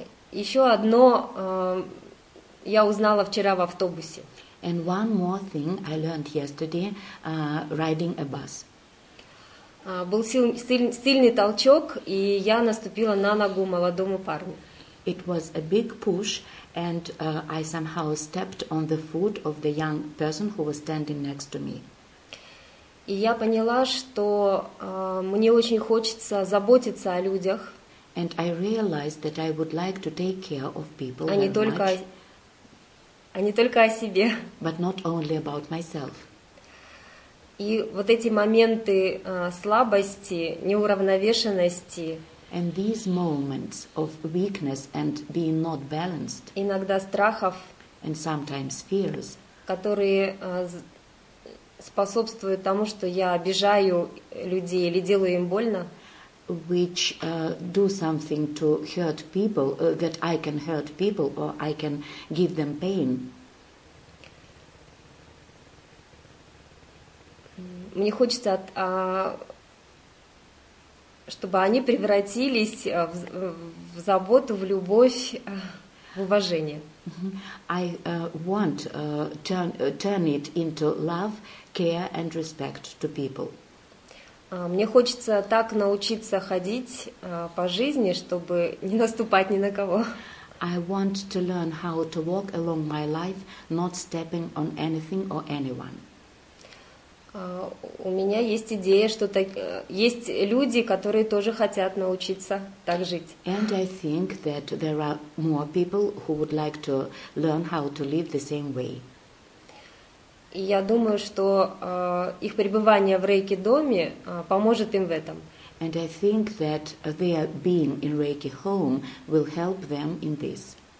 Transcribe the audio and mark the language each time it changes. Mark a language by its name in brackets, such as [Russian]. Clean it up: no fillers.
[Russian] Еще одно я узнала вчера в автобусе. [English] And one more thing I learned yesterday riding a bus. [Russian] Был сильный толчок, и я наступила на ногу молодому парню. [English] It was a big push, and I somehow stepped on the foot of the young person who was standing next to me. [Russian] И я поняла, что мне очень хочется заботиться о людях. [English] And I realized that I would like to take care of people. [Russian] А не только о себе. [English] But not only about myself. [Russian] И вот эти моменты слабости, неуравновешенности. [English] And these moments of weakness and being not balanced. [Russian] Иногда страхов. [English] And sometimes fears. [Russian] Которые способствуют тому, что я обижаю людей или делаю им больно. [English] Which do something to hurt people, that I can hurt people or I can give them pain. [Russian] Мне хочется, чтобы они превратились в заботу, в любовь, в уважение. [English] I want turn it into love, care and respect to people. [Russian] Мне хочется так научиться ходить по жизни, чтобы не наступать ни на кого. [English] I want to learn how to walk along my life, not stepping on anything or anyone. [Russian] У меня есть идея, что есть люди, которые тоже хотят научиться так жить. [English] And I think that there are more people who would like to learn how to live the same way. [Russian] И я думаю, что их пребывание в Reiki доме поможет им в этом. [English] And I think that their being in Reiki home will help them in this.